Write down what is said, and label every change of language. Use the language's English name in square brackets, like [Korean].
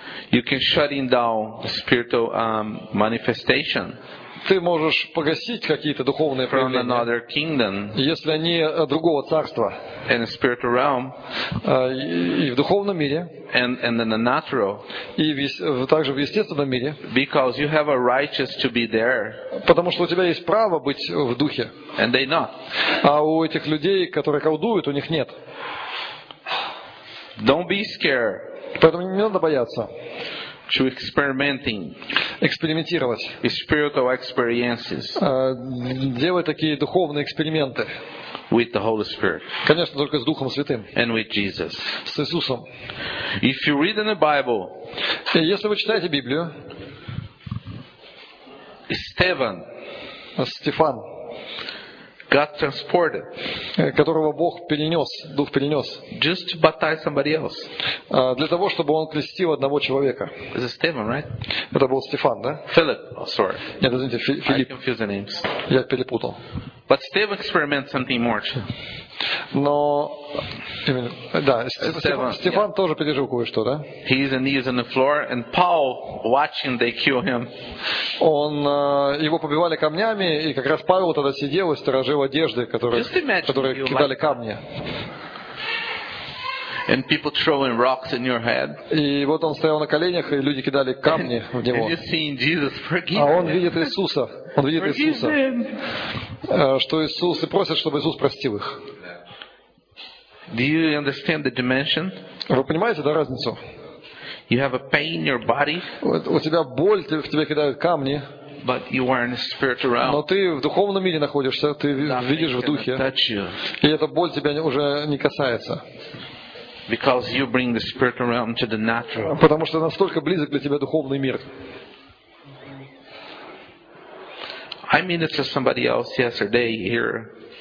[English] You can shut in down the spiritual manifestation. [Russian] Ты можешь погасить какие-то духовные проявления. [English] From another kingdom. [Russian] Если они другого царства. [English] In the spiritual realm. [Russian] И в духовном мире. [English] And in the natural. [Russian] И также в естественном мире. [English] Because you have a righteous to be there. [Russian] Потому что у тебя есть право быть в духе. [English] And they not. [Russian] А у этих людей, которые колдуют, у них нет. [English] Don't be scared. [Russian] Поэтому не надо бояться. [English] To experimenting. [Russian] Экспериментировать. [English] Spiritual experiences. [Russian] Делать такие духовные эксперименты. [English] With the Holy Spirit. [Russian] Конечно, только с Духом Святым. [English] And with Jesus. [Russian] С Иисусом. [English] If you read in the Bible. [Russian] Если вы читаете Библию. Стефан. Стефан. [English] God transported. [Russian] Которого Бог перенес, Дух перенес. [English] Just to baptize somebody else. [Russian] Для того, чтобы он крестил одного человека. [English] Is it Stephen, right? [Russian] Это был Стефан, да? [English] Philip, oh, sorry. [Russian] Нет, извините, Филипп. [English] I confused the names. [Russian] Я перепутал. [English] But Stephen experimented something more. [Russian] Но именно, да, Стефан тоже пережил кое-что, да? [English] He is on knees on the floor and Paul watching they kill him. [Russian] Он его побивали камнями, и как раз Павел тогда сидел и сторожил одежды, которые кидали камни. [English] And people throwing rocks in your head. [Russian] И вот он стоял на коленях, и люди кидали камни в него. [English] And you're seeing Jesus forgive. [Russian] А он видит Иисуса. Он видит Иисуса. Что Иисус и просит, чтобы Иисус простил их. [English] Do you understand the dimension? [Russian] Вы понимаете, да, разницу? [English] You have a pain in your body. [Russian] У тебя боль, в тебя кидают камни. [English] But you are in the spiritual realm. [Russian] Но ты в духовном мире находишься, ты видишь в духе. И эта боль тебя уже не касается. [English] Because you bring the spiritual realm to the natural. [Russian] Потому что настолько близок для тебя духовный мир. [English] I ministered somebody else yesterday here.